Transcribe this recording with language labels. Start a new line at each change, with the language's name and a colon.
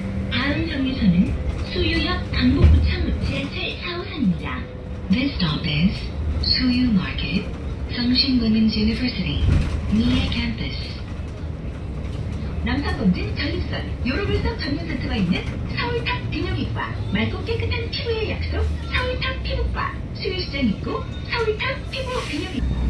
Korean: 다음 정류소는 수유역 강북구청 제7-4호선입니다.
English: This stop is Suyu Market, Songshin Women's University, Nia Campus.
Korean: 남산검진 전립선 요로불성 전문센터가 있는 서울탑 비뇨기과 맑고 깨끗한 피부의 약속 서울탑 피부과 수요시장 입구 서울탑 피부 비뇨기과